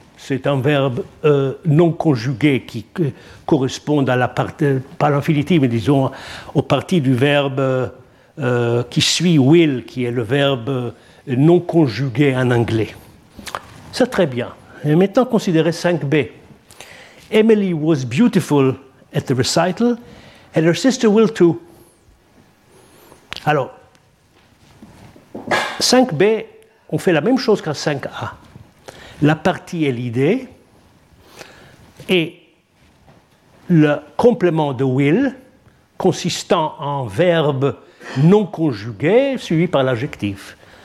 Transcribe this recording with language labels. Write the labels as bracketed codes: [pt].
[fr] C'est un verbe non conjugué qui correspond à la partie, pas l'infinitif, mais disons aux parties du verbe qui suit will, qui est le verbe non conjugué en anglais. C'est très bien. Et maintenant, considérez 5b. [en] Emily was beautiful at the recital, and her sister will too. [fr] Alors, 5b, on fait la même chose qu'en 5a. La partie est l'idée et le complément de will consistant en verbe non conjugué suivi par l'adjectif.